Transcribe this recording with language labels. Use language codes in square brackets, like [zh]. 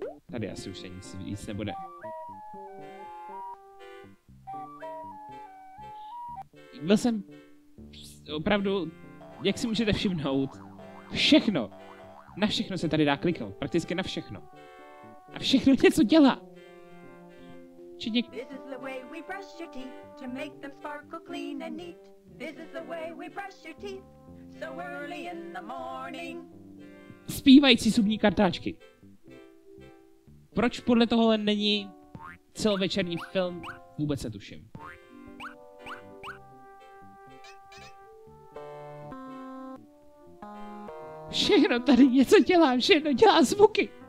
[cs] Tady asi už se nic nebude. Byl jsem opravdu, jak si můžete všimnout, všechno, na všechno se tady dá kliknout, prakticky na všechno. A všechno něco dělá. [en] This is the way we brush your teeth to make them sparkle clean and neat. This is the way we brush your teeth so early in the morning. [cs] Zpívající zubní kartáčky. Proč podle tohohle není celovečerní film, vůbec se tuším. Všechno tady něco dělá, všechno dělá zvuky.